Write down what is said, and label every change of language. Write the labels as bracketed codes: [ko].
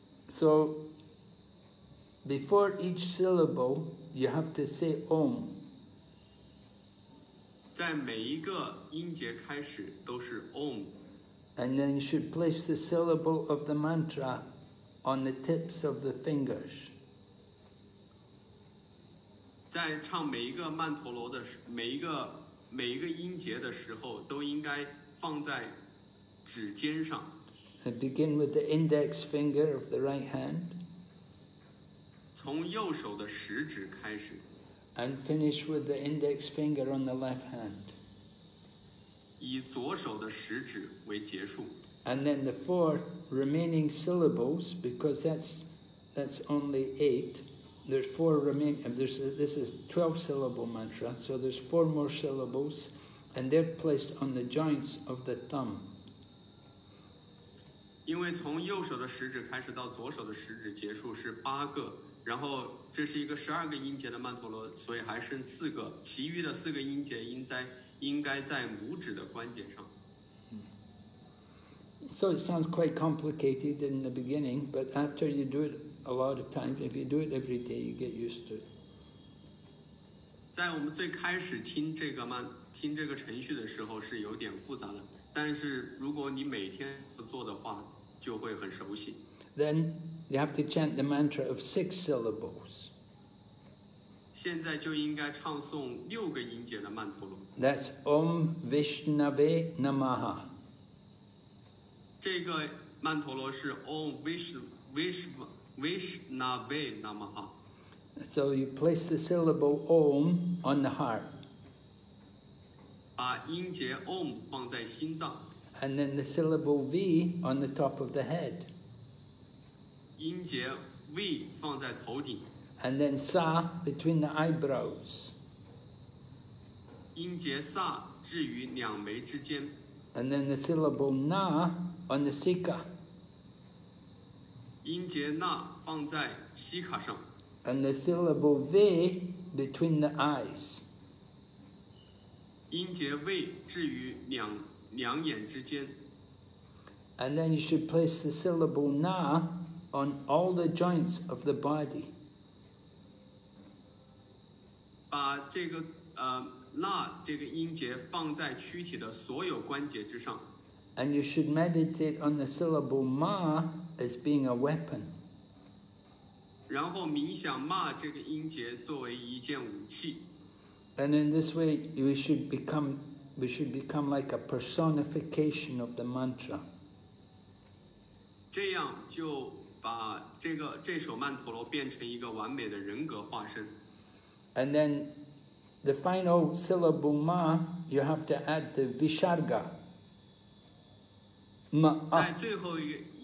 [en] So, before each syllable, you have to say Om. [zh] 在每一个音节开始都是 Om. [en] And then you should place the syllable of the mantra on the tips of the fingers. [zh] 在唱每一个曼陀罗的每一个音节的时候，都应该放在指尖上。 [en] And begin with the index finger of the right hand. [zh] 从右手的食指开始。 [en] And finish with the index finger on the left hand. [zh] 以左手的食指为结束。 [en] And then the four remaining syllables, because that's only eight, there's four remaining, this is 12 syllable mantra, so there's four more syllables, and they're placed on the joints of the thumb. [zh] 因为从右手的食指开始到左手的食指结束是八个，然后这是一个十二个音节的曼陀罗，所以还剩四个，其余的四个音节应该在拇指的关节上。 [en] So it sounds quite complicated in the beginning, but after you do it a lot of times, if you do it every day, you get used to it. [zh] 在我们最开始听这个程序的时候是有点复杂的，但是如果你每天做的话，就会很熟悉。 [en] Then you have to chant the mantra of six syllables. [zh] 现在就应该唱诵六个音节的曼陀罗。 [en] That's Om Vishnave Namaha. [zh] 这个曼陀罗是 Om Vishnave Namaha. [en] So you place the syllable Om on the heart. [zh] 把音节 Om 放在心脏。 [en] And then the syllable V on the top of the head. [zh] 音节 V 放在头顶。 [en] And then Sa between the eyebrows. [zh] 音节 Sa 置于两眉之间。 [en] And then the syllable Na on the Sika. [zh] 音节 Na 放在 Sika 上。 [en] And the syllable V between the eyes. [zh] 音节 V 置于两眼之间。 [en] And then you should place the syllable Na on all the joints of the body. [zh] 把这个Na 这个音节放在躯体的所有关节之上。 [en] And you should meditate on the syllable Ma as being a weapon. [zh] 然后冥想 Ma 这个音节作为一件武器。 [en] And in this way, we should become like a personification of the mantra. [zh] 这样就把这首曼陀罗变成一个完美的人格化身。 [en] And then the final syllable ma, you have to add the visarga. Ma. [zh] 在最后一个